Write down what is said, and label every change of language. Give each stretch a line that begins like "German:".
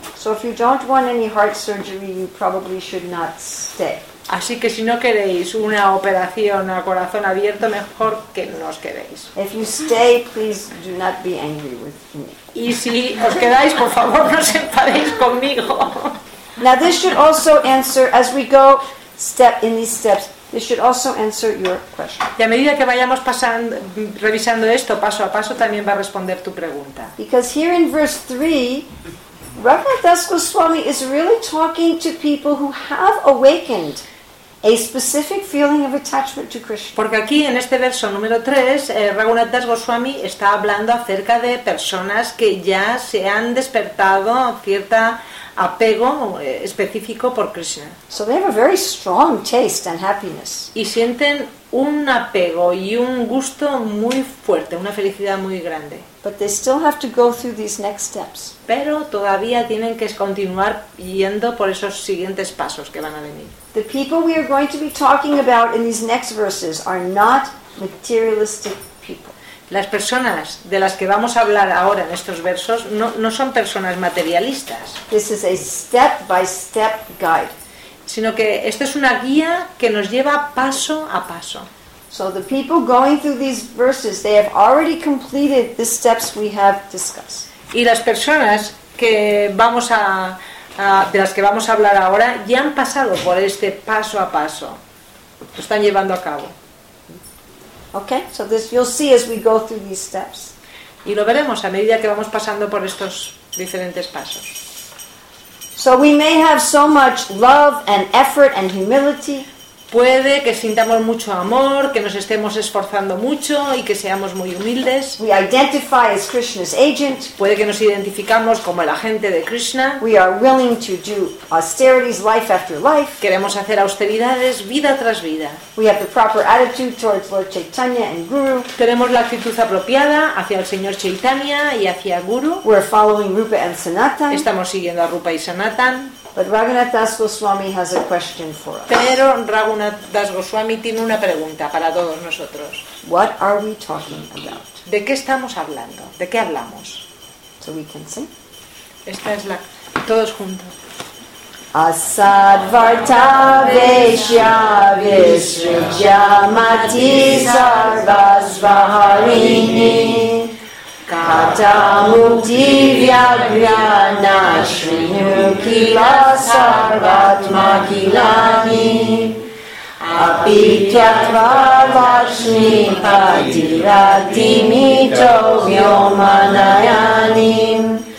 English: So if you don't want any heart surgery, you probably should not stay.
Spanish: Así que si no queréis una operación a corazón abierto, mejor que no os quedéis.
English: If you stay, please do not be angry with me.
Spanish: Y si os quedáis, por favor, no os enfadéis conmigo.
English: Now this should also answer as we go step in these steps. This should also answer your question.
Spanish: Y a medida que vayamos pasando, revisando esto paso a paso, también va a responder tu pregunta.
English: Because here in verse 3, Raghunath Das Goswami is really talking to people who have awakened a specific feeling of attachment to Krishna.
Spanish: Porque aquí en este verso número 3, Raghunath Das Goswami está hablando acerca de personas que ya se han despertado cierta apego específico por Krishna.
English: So they have a very strong taste and happiness.
Spanish: Y sienten un apego y un gusto muy fuerte, una felicidad muy grande.
English: But they still have to go through these next steps.
Spanish: Pero todavía tienen que continuar yendo por esos siguientes pasos que van a venir.
English: The people we are going to be talking about in these next verses are not materialistic people.
Spanish: Las personas de las que vamos a hablar ahora en estos versos no son personas materialistas.
English: This is a step by step guide.
Spanish: Sino que esto es una guía que nos lleva paso a paso.
English: So the people going through these verses, they have already completed the steps we have discussed.
Spanish: Y las personas que vamos a de las que vamos a hablar ahora ya han pasado por este paso a paso. Lo están llevando a cabo.
English: Okay, so this you'll see as we go through these steps.
Spanish: Y lo veremos a medida que vamos pasando por estos diferentes pasos.
English: So we may have so much love and effort and humility.
Spanish: Puede que sintamos mucho amor, que nos estemos esforzando mucho y que seamos muy humildes.
English: We identify as Krishna's agent.
Spanish: Puede que nos identificamos como el agente de Krishna.
English: We are willing to do austerities life after life.
Spanish: Queremos hacer austeridades vida tras vida.
English: We have the proper attitude towards Lord Chaitanya and Guru.
Spanish: Tenemos la actitud apropiada hacia el señor Chaitanya y hacia Guru.
English: We're following Rupa and Sanatan.
Spanish: Estamos siguiendo a Rupa y Sanatan.
English: But Raghunath Das Goswami has a question for us.
Spanish: Pero Raghunath Das Goswami tiene una pregunta para todos nosotros.
English: What are we talking about?
Spanish: ¿De qué estamos hablando? ¿De qué hablamos?
English: So we can sing.
Spanish: Esta es la todos juntos.
Sanskrit: Asadvarta Vesya Vishnu Jamati Sarvasvaharini Katamudivyagrana Shrinukila Sarvatma Kilani Apityatva Vashmi Padiratimito Vyomanayani